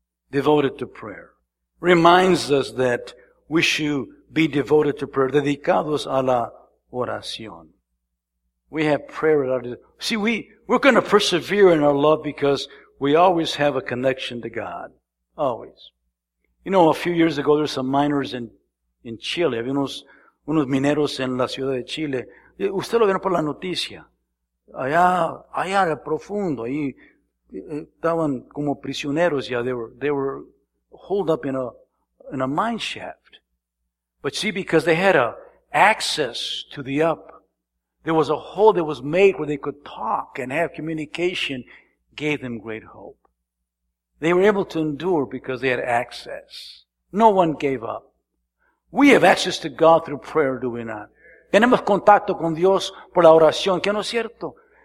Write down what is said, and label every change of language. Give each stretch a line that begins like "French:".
English: Devoted to prayer. Reminds us that we should be devoted to prayer.
Spanish: Dedicados a la oración.
English: We have prayer at our disposal. See, we're going to persevere in our love because we always have a connection to God. Always. You know, a few years ago, there were some miners in Chile.
Spanish: Había unos mineros en la ciudad de Chile. Usted lo vieron por la noticia. Allá al profundo, ahí estaban como prisioneros.
English: Yeah, they were holed up in a mine shaft. But see, because they had access to the up, there was a hole that was made where they could talk and have communication, gave them great hope. They were able to endure because they had access. No one gave up. We have access to God through prayer, do we not?
Spanish: Tenemos contacto con Dios por la oración, ¿qué no es cierto?